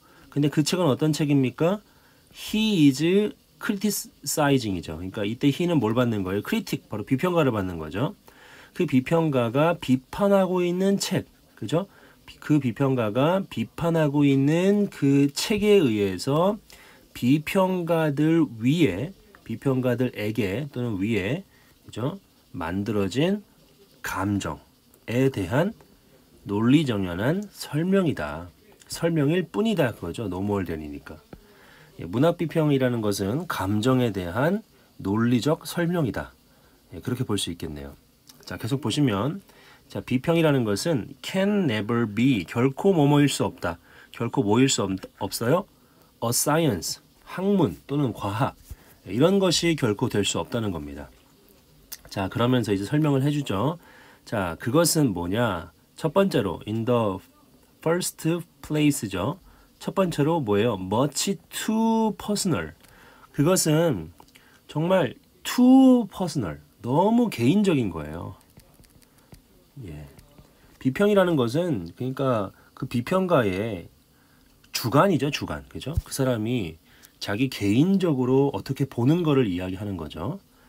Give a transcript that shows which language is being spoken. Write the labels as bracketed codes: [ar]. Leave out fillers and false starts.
[ko] 근데 그 책은 어떤 책입니까? [en] He is criticizing이죠. [ko] 그러니까 이때 he는 뭘 받는 거예요? critic, 바로 비평가를 받는 거죠. 그 비평가가 비판하고 있는 책. 그죠? 그 비평가가 비판하고 있는 그 책에 의해서 비평가들 위에, 비평가들에게 또는 위에, 그죠? 만들어진 감정에 대한 논리정연한 설명이다. 설명일 뿐이다. 그거죠. [en] No more than이니까. [ko] 예, 문학비평이라는 것은 감정에 대한 논리적 설명이다. 예, 그렇게 볼 수 있겠네요. 자, 계속 보시면. 자, 비평이라는 것은 [en] can never be, [ko] 결코 뭐뭐일 수 없다. 결코 뭐일 수 없어요? [en] A science, [ko] 학문 또는 과학. 이런 것이 결코 될 수 없다는 겁니다. 자, 그러면서 이제 설명을 해주죠. 자, 그것은 뭐냐? 첫 번째로, [en] in the first place [ko] 죠. 첫 번째로 뭐예요? [en] Much too personal. [ko] 그것은 정말 [en] too personal. [ko] 너무 개인적인 거예요. 예. 비평이라는 것은, 그러니까 그 비평가의 주관이죠, 주관. 그죠? 그 사람이 자기 개인적으로 어떻게 보는 거를 이야기하는 거죠.